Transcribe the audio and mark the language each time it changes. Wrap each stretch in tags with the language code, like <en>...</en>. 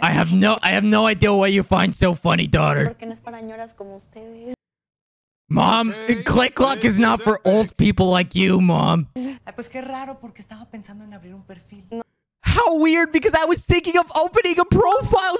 <en>I have no idea why you find so funny, daughter. Mom, hey, ClickLock is not for old people like you, Mom.</en> <es>Pues qué raro, porque estaba pensando en abrir un perfil.</es> <en>How weird, because I was thinking of opening a profile.</en>